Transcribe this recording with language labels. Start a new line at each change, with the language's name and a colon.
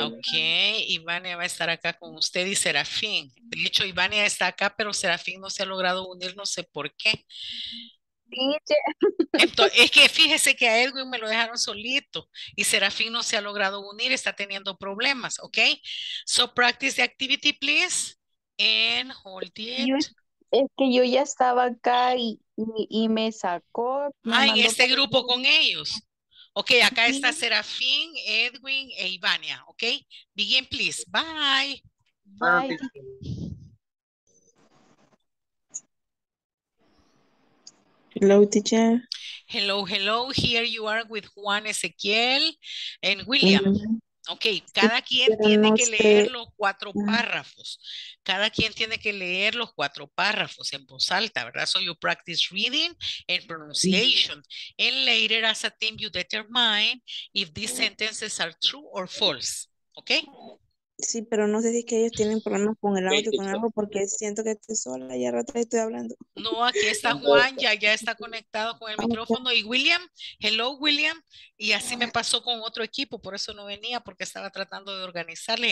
Spanish: Ok, Ivania va a estar acá con usted y Serafín. De hecho, Ivania está acá, pero Serafín no se ha logrado unir, no sé por qué. Entonces, es que fíjese que a Edwin me lo dejaron solito y Serafín no se ha logrado unir, está teniendo problemas, ok.
English: So practice the activity, please, and hold it.
Spanish: Es que yo ya estaba acá y me sacó. En este grupo con ellos. Ok, acá está Serafín, Edwin e Ivania.
English: Ok, begin please. Bye. Bye. Hello, teacher. Hello, hello. Here you are with Juan Ezequiel and William.
Spanish: Ok, cada quien tiene que leer los 4 párrafos. Cada quien tiene que leer los 4 párrafos en voz alta, ¿verdad?
English: So you practice reading and pronunciation. And later as a team, you determine if these sentences are true or false. ¿Ok?
Spanish: Sí, pero no sé si es que ellos tienen problemas con el audio, con algo, porque siento que estoy sola y a rato estoy hablando. No, aquí está Juan, ya está conectado con el micrófono. Y William,
English: hello William,
Spanish: y así me pasó con otro equipo, por eso no venía, porque estaba tratando de organizarle.